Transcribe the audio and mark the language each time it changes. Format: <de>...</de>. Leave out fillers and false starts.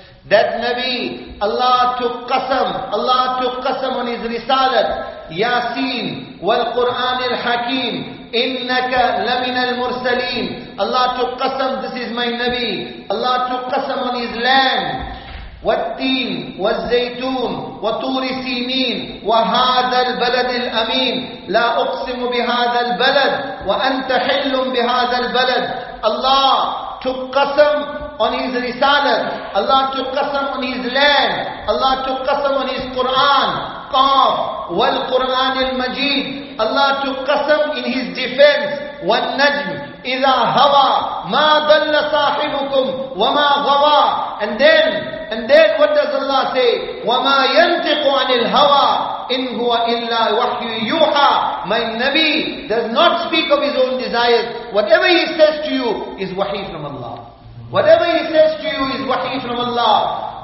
<en>That Nabi, Allah took qasam on his Risalat,</en> <ar>Yasin wal Quran al Hakim, innaka lamina al mursaleen.</ar> <en>Allah took qasam, this is my Nabi. Allah took qasam on his land.</en> <ar>والتين والزيتون وطور سينين وهذا البلد الأمين لا أقسم بهذا البلد وأنت حل بهذا البلد.</ar> <en>Allah took qasam on his risalat, Allah took qasam on his land, Allah took qasam on his Quran,</en> <ar>Qaf wal Quran al Majid.</ar> <en>Allah took qasam in his defense.</en> <ar>والنجم إذا هوى ما ضل صاحبكم وما غوى.</ar> <en>And then what does Allah say?</en> <ar>وَمَا يَنْتِقُ عَنِ الْهَوَىٰ إِنْ هُوَ إِلَّا وَحْيُّ يُوحَىٰ.</ar> <en>My Nabi does not speak of his own desires. Whatever he says to you is wahi from Allah. Whatever he says to you is wahi from Allah.</en>